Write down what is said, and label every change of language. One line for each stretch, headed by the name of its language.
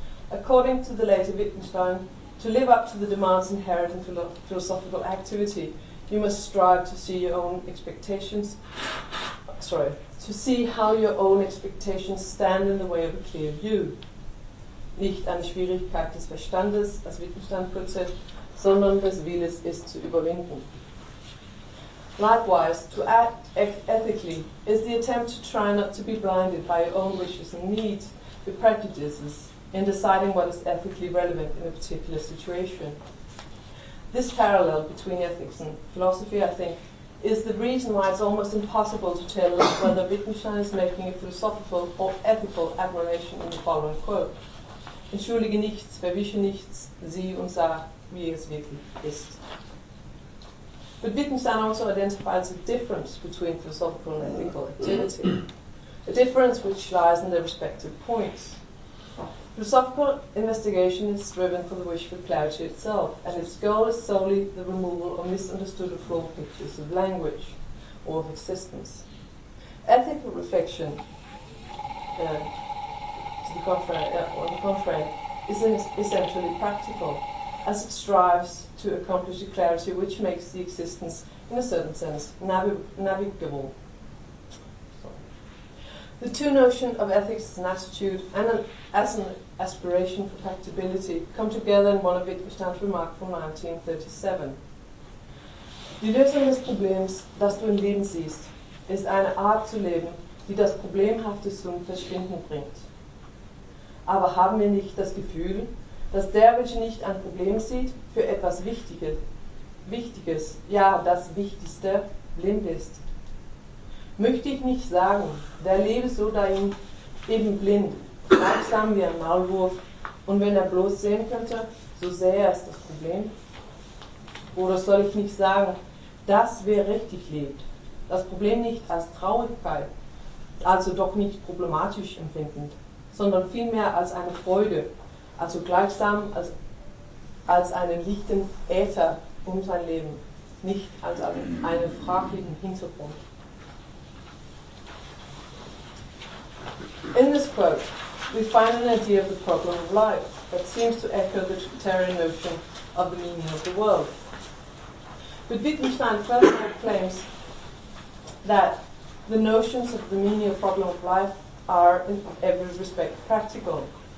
English: According to the later Wittgenstein, to live up to the demands inherent in philosophical activity, you must strive to see your own expectations, to see how your own expectations stand in the way of a clear view.
German: Nicht eine Schwierigkeit des Verstandes,
English: as Wittgenstein puts it,
German: sondern des Willens ist zu überwinden.
English: Likewise, to act ethically is the attempt to try not to be blinded by your own wishes and needs, your prejudices, in deciding what is ethically relevant in a particular situation. This parallel between ethics and philosophy, I think, is the reason why it's almost impossible to tell whether Wittgenstein is making a philosophical or ethical admiration in the following quote.
German: Entschuldige nichts, verwische nichts, sieh und sah, wie es wirklich ist.
English: But Wittgenstein also identifies a difference between philosophical and ethical activity, a difference which lies in their respective points. Philosophical investigation is driven for the wish for clarity itself, and its goal is solely the removal of misunderstood or flawed pictures of language or of existence. Ethical reflection, on the contrary, is essentially practical, as it strives to accomplish a clarity which makes the existence, in a certain sense, navigable. The two notions of ethics as an attitude and as an aspiration for practicability come together in one of Wittgenstein's remarks from 1937.
German: Die Lösung des Problems, das du im Leben siehst, ist eine Art zu leben, die das Problemhafte zum Verschwinden bringt. Aber haben wir nicht das Gefühl, dass der, welcher nicht ein Problem sieht, für etwas Wichtiges, ja, das Wichtigste, blind ist? Möchte ich nicht sagen, der lebe so dahin, eben blind, langsam wie ein Maulwurf, und wenn er bloß sehen könnte, so sähe er es das Problem? Oder soll ich nicht sagen, dass wer richtig lebt, das Problem nicht als Traurigkeit, also doch nicht problematisch empfindend, sondern vielmehr als eine Freude, also gleichsam als einen lichten Äther um sein Leben, nicht als einen fraglichen Hintergrund.
English: In this quote, we find an idea of the problem of life. that seems to echo the Trinitarian notion of the meaning of the world. But Wittgenstein further claims that the notions of the meaning of problem of life are in every respect practical.